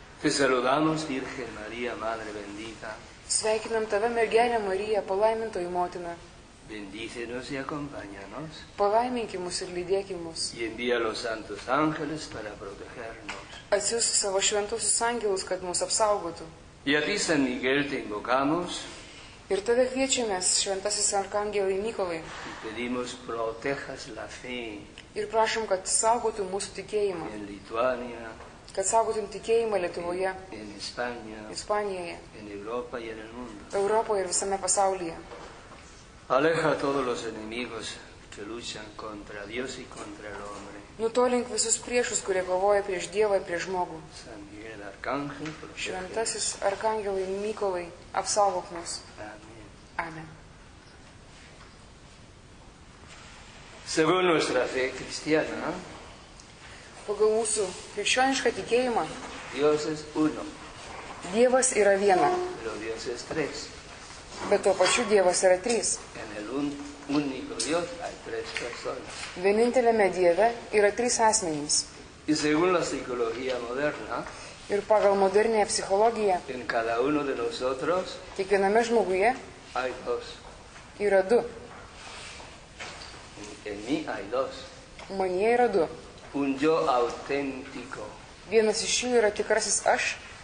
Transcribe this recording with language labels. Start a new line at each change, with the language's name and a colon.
Spanish: Saludamos, Virgen María, Madre bendita.
Lithuanian: Sveikinam tave, mergelė Marija, palaimintoji motina.
Spanish: Bendícenos y acompáñanos.
Lithuanian: Palaiminki mus ir lydėki mus.
Spanish: Y envía los santos ángeles para protegernos.
Lithuanian: Atsiųsk savo šventuosius angelus, kad mus apsaugotų.
Spanish: Y a ti, San Miguel, te invocamos.
Lithuanian: Ir tave kviečiamės, šventasis arkangelai Mykolai.
Spanish: Y pedimos protejas la fe.
Lithuanian: Ir prašom, kad saugotų mūsų tikėjimą.
Spanish: En Lituania.
Lithuanian: Kad saugotum tikėjimą Lietuvoje, Ispanijoje, Europoje ir visame pasaulyje.
Spanish: Aleja todos los enemigos que luchan contra Dios y contra el hombre.
Lithuanian: Nutolink visus priešus, kurie kovoja prieš Dievą ir prieš žmogų.
Spanish: San Miguel Arcángel,
Lithuanian: šventasis arkangelai Mykolai, apsaugok mus.
Spanish: Amen.
Lithuanian: Amen.
Spanish: Según nuestra fe cristiana,
Lithuanian: pagal mūsų krikščionišką tikėjimą.
Spanish: Dios es uno.
Lithuanian: Dievas yra viena.
Spanish: Pero Dios es tres.
Lithuanian: Bet tuo pačiu Dievas yra trys.
Spanish: En el único Dios hay tres personas.
Lithuanian: Vienintelėme Dieve yra trys asmenys.
Spanish: Y según la psicología moderna,
Lithuanian: ir pagal modernią psichologiją,
Spanish: en cada uno de nosotros,
Lithuanian: kiekviename žmoguje,
Spanish: hay dos.
Lithuanian: Yra du.
Spanish: En mí hay dos.
Lithuanian: Manyje yra du.
Spanish: Un yo auténtico.
Lithuanian: Vienas iš jų yra tikrasis aš.